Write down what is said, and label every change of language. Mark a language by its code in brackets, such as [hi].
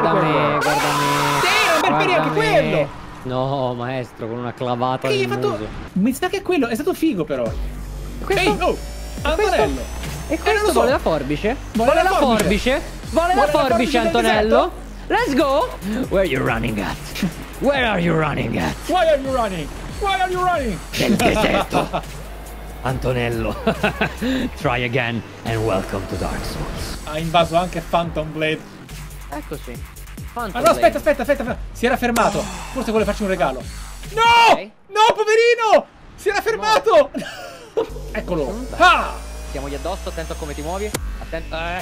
[it] Guarda me, guarda me. Sì, era un bel perro anche quello. No, maestro, con una clavata nel muso. Mi sa che è quello. È stato figo, però. Questo? Ehi, oh, Antonello. E questo non lo so. Vuole la forbice? Vuole la forbice? Vuole la forbice, Antonello? [en] Let's go! Where are you running at? Where are you running at? Why are you running? Why are you running? [it] Del deserto! Antonello! [en] Try again and welcome to Dark Souls. [it] Ha invaso anche Phantom Blade. Eccoci. Phantom Blade. Aspetta, aspetta, aspetta, aspetta. Si era fermato. Forse vuole farci un regalo. No! Okay. No, poverino! Si era fermato! Eccolo. Ah! Siamo gli addosso, attento a come ti muovi. Attento.